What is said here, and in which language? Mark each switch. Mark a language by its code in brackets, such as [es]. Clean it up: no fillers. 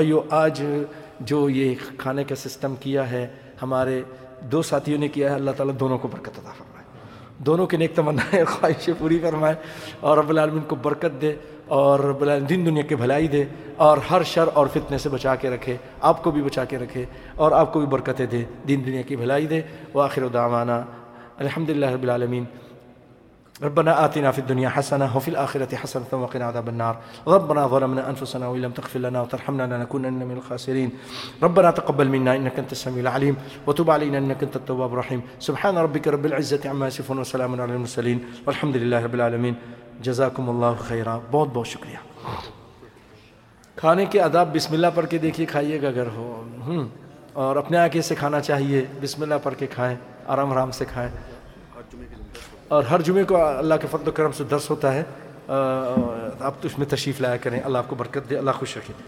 [ur] بھائیو آج جو یہ کھانے کا سسٹم کیا ہے ہمارے دو ساتھیوں نے کیا ہے, اللہ تعالیٰ دونوں کو برکت عطا فرمائے, دونوں کی نیک تمنائیں خواہشیں پوری فرمائے, اور رب العالمین کو برکت دے, اور رب العالمین دین دنیا کی بھلائی دے, اور ہر شر اور فتنے سے بچا کے رکھے, آپ کو بھی بچا کے رکھے, اور آپ کو بھی برکتیں دے, دین دنیا کی بھلائی دے. [ar] وآخر دعوانا الحمدللہ رب العالمین, ربنا آتنا فی الدنیا حسنة وفی الآخرة حسنة وقنا عذاب النار, ربنا ظلمنا انفسنا وان لم تغفر لنا وترحمنا لنكونن من الخاسرين, ربنا تقبل منا انك انت السميع العليم, وتب علينا انك انت التواب الرحيم, سبحان ربك رب العزة عما يصفون وسلام على المرسلين, والحمد لله رب العالمين, جزاكم الله خيرا. [ur] بہت بہت شکریہ. کھانے کے آداب بسم اللہ پڑھ کے دیکھیے کھائیے گا اگر ہو, اور اپنے آگے سے کھانا چاہیے, بسم اللہ پڑھ کے کھائیں, آرام آرام سے کھائیں, اور ہر جمعے کو اللہ کے فضل و کرم سے درس ہوتا ہے, آپ تو اس میں تشریف لایا کریں, اللہ آپ کو برکت دے, اللہ خوش رکھے.